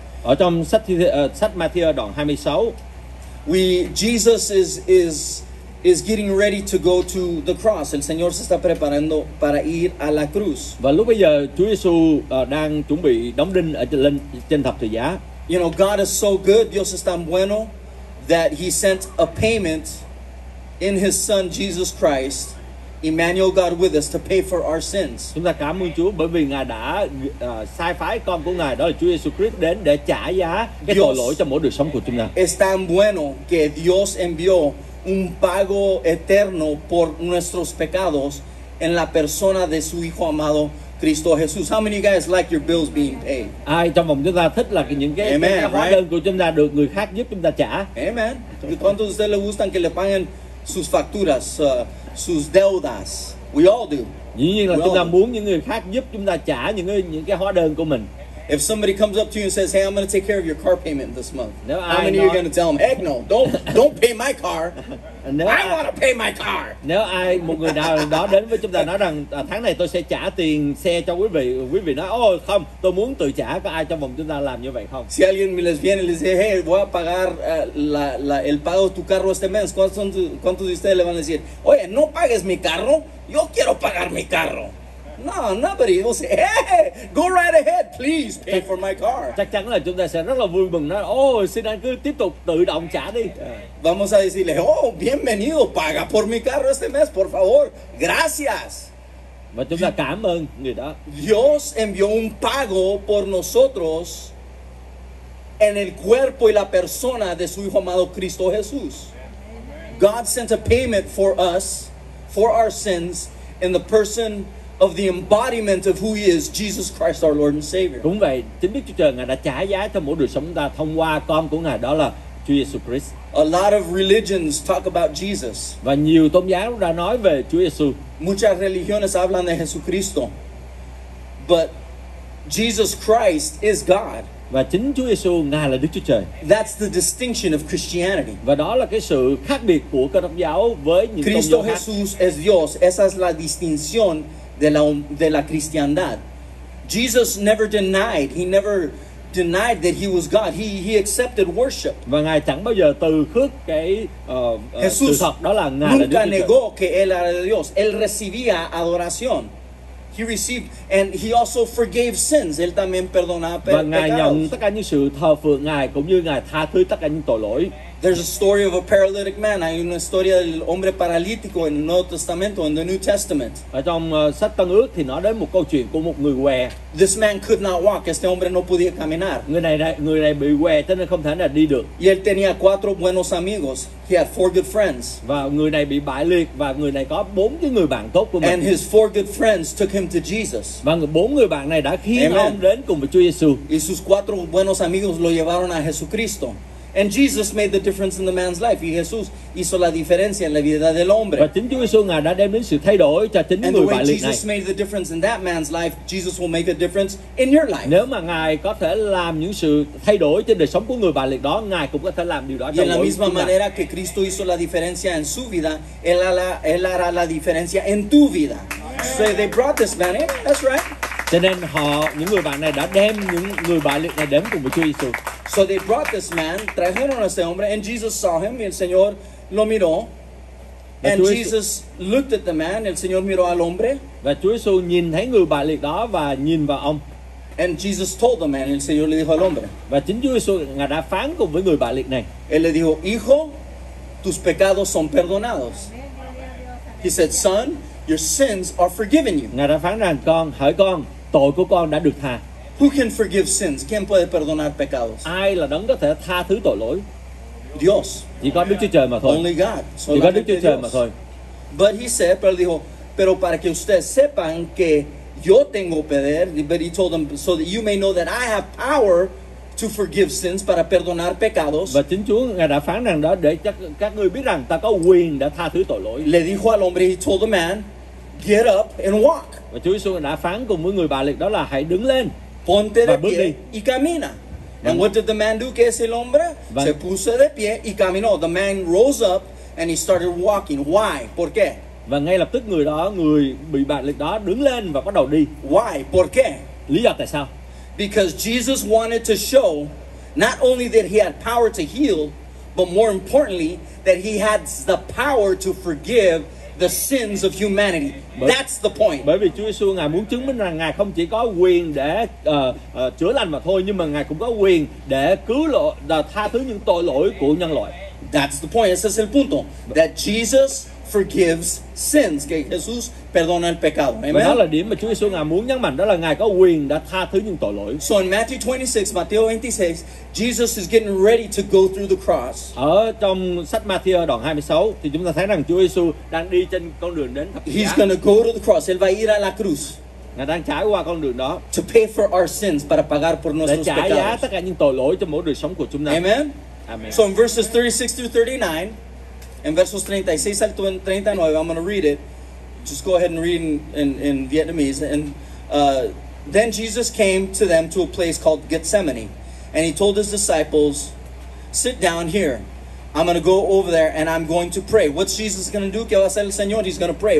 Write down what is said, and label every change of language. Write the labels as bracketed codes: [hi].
[vi] Ở trong sách Matthew đoạn 26, [en] Jesus is getting ready to go to the cross. [es] El Señor se está preparando para ir a la cruz. [vi] Và lúc bây giờ Chúa Giêsu đang chuẩn bị đóng đinh ở trên thập tự giá. [en] You know, God is so good, [es] Dios es tan bueno, [en] that He sent a payment in His Son Jesus Christ, Emmanuel, God with us, to pay for our sins. [vi] Chúng ta cảm ơn Chúa bởi vì Ngài đã sai phái con của Ngài, đó là Chúa Jesus Christ, đến để trả giá cái tội lỗi cho mỗi đời sống của chúng ta. [es] Es tan bueno que Dios envió un pago eterno por nuestros pecados en la persona de su hijo amado Cristo Jesús. [en] How many of you guys like your bills being paid? [vi] Ai trong vòng chúng ta thích là những cái hóa đơn của chúng ta được người khác giúp chúng ta trả? [en] Amen. [es] ¿Cuántos de ustedes les gustan que le paguen sus facturas, sus deudas? [en] We all do. [vi] Dĩ nhiên là chúng ta muốn những người khác giúp chúng ta trả những cái hóa đơn của mình. [en] If somebody comes up to you and says, "Hey, I'm going to take care of your car payment this month," no, how many of you are going to tell them, "Heck no, don't pay my car. I want to pay my car." [vi] Nếu ai một người nào đó đến với chúng ta nói rằng tháng này tôi sẽ trả tiền xe cho quý vị nói, "Oh, không, tôi muốn tự trả." Có ai trong vòng chúng ta làm như vậy không? [es] Si alguien me les viene y les dice, "Hey, voy a pagar el pago de tu carro este mes," ¿cuántos de ustedes le van a decir, "Oye, no pagues mi carro, yo quiero pagar mi carro"? [en] No, nobody will say, "Hey, go right ahead, please pay for my car." [vi] Chắc chắn là chúng ta sẽ rất là vui mừng nói, "Oh, xin anh cứ tiếp tục tự động trả đi." [es] Vamos a decirle, "Oh, bienvenido, paga por mi carro este mes, por favor. Gracias." [vi] Và chúng ta cảm ơn người đó. [es] Dios envió un pago por nosotros en el cuerpo y la persona de su hijo amado Cristo Jesús. [en] God sent a payment for us for our sins in the person of the embodiment of who He is, Jesus Christ, our Lord and Savior. [vi] Đúng vậy, chính Đức Chúa Trời Ngài đã trả giá cho mỗi đời sống ta thông qua con của Ngài, đó là Chúa Jesus Christ. [en] A lot of religions talk about Jesus. [vi] Và nhiều tôn giáo đã nói về Chúa Jesus. [es] Muchas religiones hablan de Jesucristo. [en] But Jesus Christ is God. [vi] Và chính Chúa Jesus, Ngài là Đức Chúa Trời. [en] That's the distinction of Christianity. [vi] Và đó là cái sự khác biệt của Cơ Đốc giáo với những tôn giáo khác. [es] Cristo Jesús es Dios. Esa es la distinción de la cristiandad. [en] Jesus never denied. He never denied that he was God. He accepted worship. [vi] Và Ngài chẳng bao giờ từ khước cái [en] Jesus [vi] sự thật đó là Ngài [es] nunca [vi] là Đức Chúa [es] negó que él era Dios. Él recibía adoración. [en] He received and he also forgave sins. [es] Él también perdonaba pecados. [vi] Và Ngài nhận tất cả những sự thờ phượng Ngài cũng như Ngài tha thứ tất cả những tội lỗi. [en] There's a story of a paralytic man. [es] Hay una historia del hombre paralítico en el Nuevo Testamento, en el New Testament. [vi] Ở trong sách Tân Ước thì nói đến một câu chuyện của một người què. [en] This man could not walk. [es] Este hombre no podía caminar. [vi] Người này bị què, cho nên không thể nào đi được. [es] Y él tenía cuatro buenos amigos. [en] He had four good friends. [vi] Và người này bị bại liệt và người này có bốn cái người bạn tốt của mình. [en] And his four good friends took him to Jesus. [vi] Và bốn người bạn này đã khiến [en] Amen. [vi] Ông đến cùng với Chúa Giêsu. [es] Y sus cuatro buenos amigos lo llevaron a Jesucristo. [en] And Jesus made the difference in the man's life. [es] Y Jesús hizo la diferencia en la vida del hombre. [vi] Và chính Chúa Giêsu Ngài đã đem đến sự thay đổi cho chính [en] and [vi] người bại liệt [en] này. And when Jesus made the difference in that man's life, Jesus will make a difference in your life. [vi] Nếu mà Ngài có thể làm những sự thay đổi trên đời sống của người bại liệt đó, Ngài cũng có thể làm điều đó trong mỗi chúng ta. [es] Y en la misma manera que Cristo hizo la diferencia en su vida, él hará la diferencia en tu vida. [en] Yeah. So they brought this man in. That's right. [vi] Cho nên họ, những người bạn này đã đem những người bại liệt này đến cùng với Chúa Giêsu. [en] So they brought this man, [es] trajeron a este hombre, [en] and Jesus saw him, [es] y el Señor lo miró. [en] And Jesus looked at the man, [es] el Señor miró al hombre. [vi] Và Chúa Giêsu nhìn thấy người bại liệt đó và nhìn vào ông. [en] And Jesus told the man, [es] el Señor le dijo al hombre. [vi] Và chính Chúa Giêsu ngài đã phán cùng với người bại liệt này. [es] Él le dijo, hijo, tus pecados son perdonados. [en] He said, son, your sins are forgiven you. [vi] Ngài đã phán rằng, con, hỡi con, tội của con đã được tha. [en] Who can forgive sins? [es] ¿Quién puede perdonar pecados? [vi] Ai là đấng có thể tha thứ tội lỗi? [es] Dios. [vi] Chỉ có Đức Chúa Trời mà thôi. [en] Only God. [vi] Chỉ có Đức Chúa Trời mà thôi. [en] But he said, [es] pero dijo, pero para que ustedes sepan que yo tengo poder, [en] but he told them, so that you may know that I have power to forgive sins, [es] para perdonar pecados. [vi] Và chính Chúa ngài đã phán rằng đó để các ngươi biết rằng ta có quyền để tha thứ tội lỗi. [es] Le dijo al hombre, [en] he told the man, get up and walk. [vi] Và Chúa Giêsu đã phán cùng với người bại liệt đó là hãy đứng lên. [es] Ponte de pie y camina. [en] And what did the man do? [es] ¿Qué es el hombre? Se puso de pie y caminó. [en] The man rose up and he started walking. Why? [es] ¿Por qué? [vi] Và ngay lập tức người đó, người bị bại liệt đó đứng lên và bắt đầu đi. [en] Why? [es] ¿Por qué? [vi] Lý do tại sao? [en] Because Jesus wanted to show not only that he had power to heal, but more importantly, that he had the power to forgive the sins of humanity. That's the point. [vi] Bởi vì Chúa Giêsu ngài muốn chứng minh rằng ngài không chỉ có quyền để chữa lành mà thôi, nhưng mà ngài cũng có quyền để cứu lỗi, tha thứ những tội lỗi của nhân loại. [en] That's the point. [es] Ese es el punto. [en] That Jesus forgives sins. [es] Que Jesús perdona el pecado. [en] Amen. [vi] Và đó là điểm mà Chúa Giêsu ngài muốn nhấn mạnh, đó là ngài có quyền đã tha thứ những tội lỗi. [en] So in Matthew 26, Matthew 26, Jesus is getting ready to go through the cross. [vi] Ở trong sách Matthew đoạn 26 thì chúng ta thấy rằng Chúa Giêsu đang đi trên con đường đến thập giá. [en] He's going to go to the cross. [es] Él va a ir a la cruz. [vi] Ngài đang trải qua con đường đó. [en] To pay for our sins, [es] para pagar por nuestros pecados. [vi] Để trả giá tất cả những tội lỗi cho mỗi đời sống của chúng ta. [en] Amen. Amen. So in verses 36 through 39. [es] In versos 36 al 39, [en] I'm going to read it. Just go ahead and read in Vietnamese. And then Jesus came to them to a place called Gethsemane. And he told his disciples, sit down here. I'm going to go over there and I'm going to pray. What's Jesus going to do? [es] ¿Qué va a hacer el Señor? [en] He's going to pray.